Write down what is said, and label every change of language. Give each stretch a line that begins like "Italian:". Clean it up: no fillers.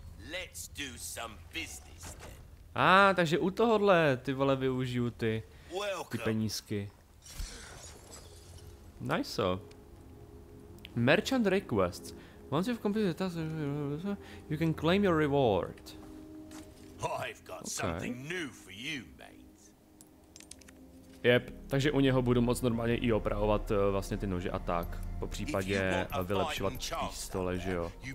English: Let's do some business then.
Czech: Ah, takže u tohohle ty vole využiju ty penízky.
English: Nice. So. Merchant requests. Once you've completed a task, you can claim your reward. I've got something new for you.
Czech: Yep, takže u něho budu moc normálně i opravovat vlastně ty nože a tak. Po případě vylepšovat pistole, že jo.